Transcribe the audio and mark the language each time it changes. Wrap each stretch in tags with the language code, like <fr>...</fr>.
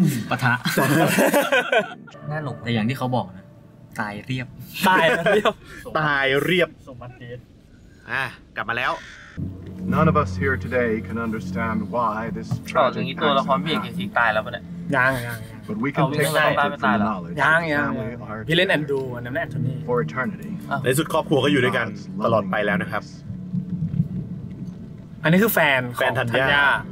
<th>ปะทะน่าหนุกแต่อย่างที่เขาบอกนะตายเรียบ ตายเรียบ ตายเรียบ สมบัติ กลับมาแล้ว</th> <en>None of us here today can understand why this tragic thing</en> <th>ตัวละครเอกจริงๆตายแล้วป่ะเนี่ย ยัง</th> <en>But we can take comfort from the knowledge. Yang, yang.</en> <th>พี่เล่นแอนดูนะแอนโทนี่</th> <en>For eternity.</en> <th>ในสุดครอบครัวก็อยู่ด้วยกันตลอดไปแล้วนะครับ อันนี้คือแฟน ธัญญา</th>